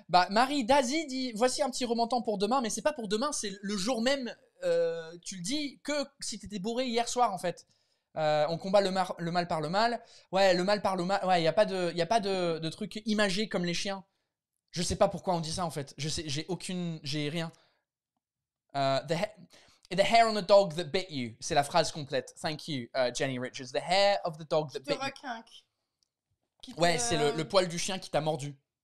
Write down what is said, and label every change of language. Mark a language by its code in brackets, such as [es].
[fr] Marie Dazi dit voici un petit remontant pour demain, mais c'est pas pour demain, c'est le jour même. Tu le dis que si t'étais bourré hier soir en fait. On combat le mal par le mal. Ouais, le mal par le mal. Ouais, y a pas de truc imagé comme les chiens. Je sais pas pourquoi on dit ça en fait. J'ai rien. [en] The hair on the dog that bit you. [fr] C'est la phrase complète. [en] Thank you, Jenny Richards. The hair of the dog that bit you. [fr] Qui te... Ouais, c'est le poil du chien qui t'a mordu.